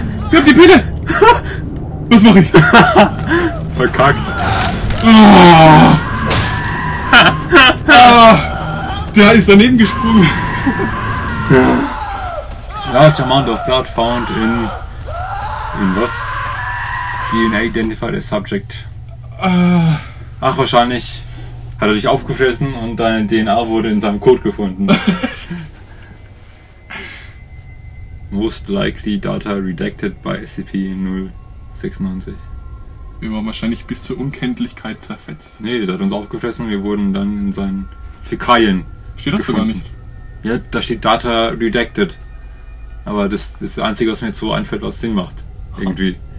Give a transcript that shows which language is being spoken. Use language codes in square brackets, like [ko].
[de] Ich hab die Pille. Was mach ich? Verkackt. Der ist daneben gesprungen. [en] Large amount of blood found in was? DNA identified as subject. [de] Ach, wahrscheinlich hat er dich aufgefressen und dein DNA wurde in seinem Code gefunden. [en] Most likely data redacted by SCP-096. [de] Wir waren wahrscheinlich bis zur Unkenntlichkeit zerfetzt. Nee, der hat uns aufgefressen, wir wurden dann in seinen Fäkalien. Steht das sogar nicht. Ja, da steht Data Redacted. Aber das ist das Einzige, was mir jetzt so einfällt, was Sinn macht. Irgendwie.